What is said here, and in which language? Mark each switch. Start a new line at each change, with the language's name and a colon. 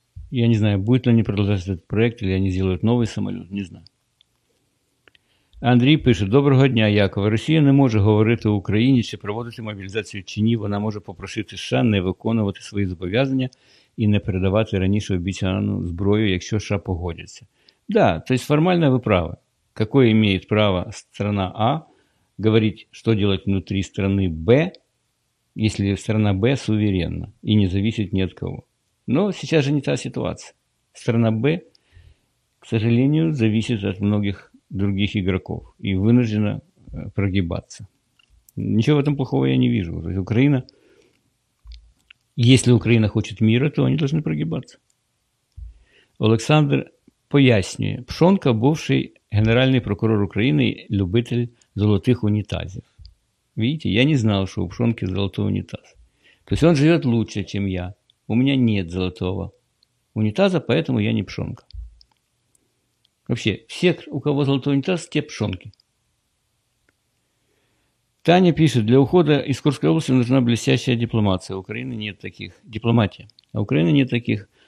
Russian: Я не знаю, будет ли они продолжать этот проект, или они сделают новый самолет, не знаю.
Ukrainian: Андрій пише: «Доброго дня, Якове. Росія не може говорити Україні, чи проводити мобілізацію, чи ні. Вона може попросити США не виконувати свої зобов'язання і не передавати раніше обіцяну зброю, якщо США погодяться». Да, тобто формально ви праві.
Russian: Какое имеет право страна А говорить, что делать внутри страны Б, если страна Б суверенна и не зависит ни от кого? Но сейчас же не та ситуация. Страна Б, к сожалению, зависит от многих других игроков и вынуждена прогибаться. Ничего в этом плохого я не вижу. То есть Украина, если Украина хочет мира, то они должны прогибаться.
Ukrainian: Олександр пояснює: Пшонка – бувший генеральний прокурор України, любитель золотих унітазів.
Russian: Видите, я не знал, что у Пшонки золотой унитаз. То есть он живет лучше, чем я. У меня нет золотого унитаза, поэтому я не Пшонка. Вообще, все, у кого золотой унитаз, те Пшонки. Таня пишет: для ухода из Курской области нужна блестящая дипломация. У Украины нет таких. Дипломатия. А у Украины нет таких.